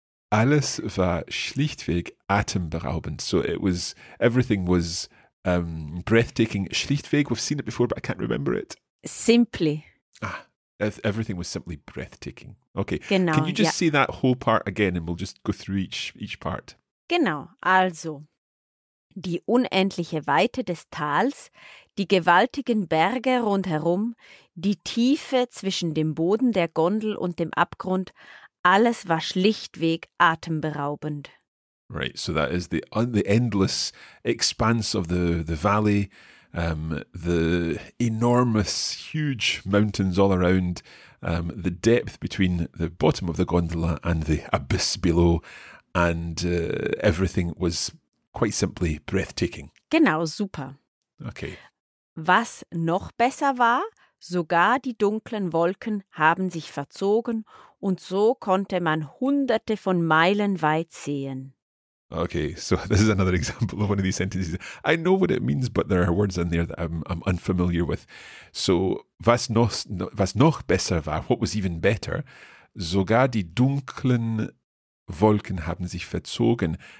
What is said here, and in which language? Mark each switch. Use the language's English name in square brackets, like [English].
[German] Alles war schlichtweg atemberaubend. [English] So it was, everything was breathtaking. Schlichtweg, we've seen it before, but I can't remember it. Simply. Ah, everything was simply breathtaking. Okay. [German] Genau. [English] Can you just say that whole part again and we'll just go through each part? [German] Genau. Also, die unendliche Weite des Tals, die gewaltigen Berge rundherum, die Tiefe zwischen dem Boden der Gondel und dem Abgrund, alles war schlichtweg atemberaubend. [English] Right, so that is the endless expanse of the valley, the enormous, huge mountains all around, the depth between the bottom of the gondola and the abyss below, and everything was quite simply breathtaking. [German] Genau, super. [English] Okay. [German] Was noch besser war, sogar die dunklen Wolken haben sich verzogen und so konnte man hunderte von Meilen weit sehen. [English] Okay, so this is another example of one of these sentences. I know what it means, but there are words in there that I'm unfamiliar with. [German] So, was noch besser war, [English] what was even better, [German] sogar die dunklen Wolken haben sich verzogen.